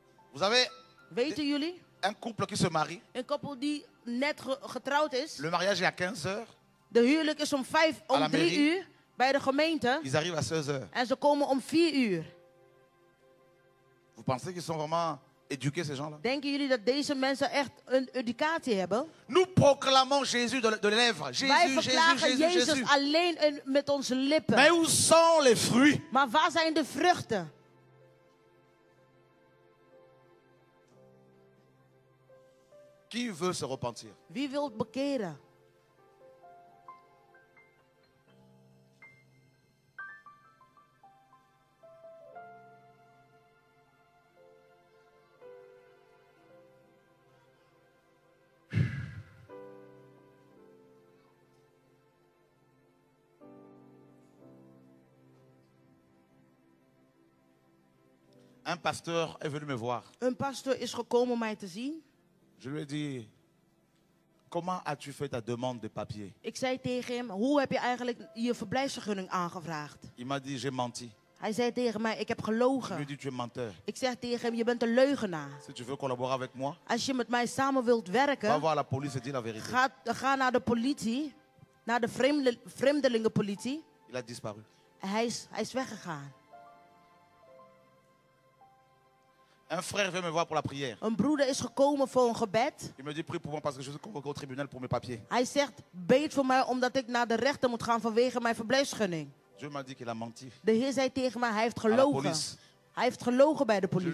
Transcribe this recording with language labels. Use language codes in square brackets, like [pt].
[fr] Vous savez, [nl] weten jullie? [fr] Un couple qui se marie. [nl] Een koppel die net getrouwd is. [fr] Le mariage est à 15 heures. [nl] De huwelijk is om 5 om 3 uur bij de gemeente. [fr] Ils arrivent à 16 heures. [nl] En ze komen om 4 uur. [fr] Vous pensez qu'ils sont vraiment éduqués, ces gens-là? [nl] Denken jullie dat deze mensen echt een educatie hebben? [fr] Nous proclamons Jésus de lèvres. Jésus, [nl] wij verklagen Jezus alleen met onze lippen. [fr] Mais où sont les fruits? [nl] Maar waar zijn de vruchten? [fr] Qui veut se repentir? [nl] Wie wil bekeren? [fr] Un pasteur est venu me voir. Un pasteur [nl] is gekomen mij te zien. [fr] Je lui ai dit, comment as-tu fait ta demande de papier? [nl] Ik zei tegen hem, hoe heb je eigenlijk je verblijfsvergunning aangevraagd? [fr] Il m'a dit, j'ai menti. [nl] Hij zei tegen mij, ik heb gelogen. [fr] Je lui ai dit, tu es menteur. [nl] Ik zeg tegen hem, je bent een leugenaar. [fr] Si tu veux collaborer avec moi, [nl] als je met mij samen wilt werken, [fr] va voir la police et dis la vérité. [nl] Ga naar de politie, naar de vreemdelingenpolitie. [fr] Il a disparu. [nl] Hij is weggegaan. [fr] Un frère vient me voir pour la prière. [nl] Een broeder is gekomen voor een gebed. [fr] Il me dit, prie pour moi parce que je suis convoqué au tribunal pour mes papiers. [nl] Hij zegt, bid voor mij omdat ik naar de rechter moet gaan vanwege mijn verblijfsgunning. [fr] Dieu m'a dit qu'il a menti. [nl] De Heer zei tegen mij, hij heeft gelogen. [fr] À la police. [nl] Hij heeft gelogen bij de politie.